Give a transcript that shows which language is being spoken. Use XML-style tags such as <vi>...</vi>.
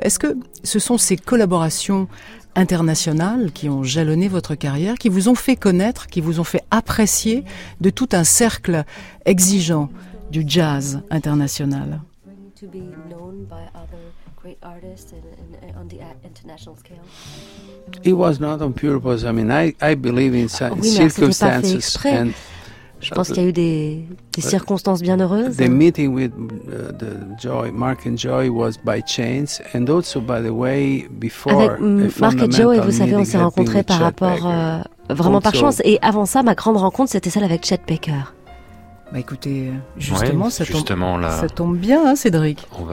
<fr>Est-ce que ce sont ces collaborations internationales qui ont jalonné votre carrière, qui vous ont fait connaître, qui vous ont fait apprécier de tout un cercle exigeant du jazz international?</fr> <en>To be known by other great artists and on the international scale. It was not on purpose. I mean, I believe in circumstances.</en> <fr>Oui, mais c'était pas fait exprès. Je pense qu'il y a eu des circonstances bien heureuses.</fr> <en>The meeting with the Joy, Mark and Joy, was by chance, and also, by the way, before.</en> <fr>Avec Mark et Joy, vous savez, on s'est rencontrés par rapport vraiment par chance. Et avant ça, ma grande rencontre, c'était celle avec Chet Baker. Bah écoutez, justement, ouais, ça tombe bien, hein, Cédric.</fr>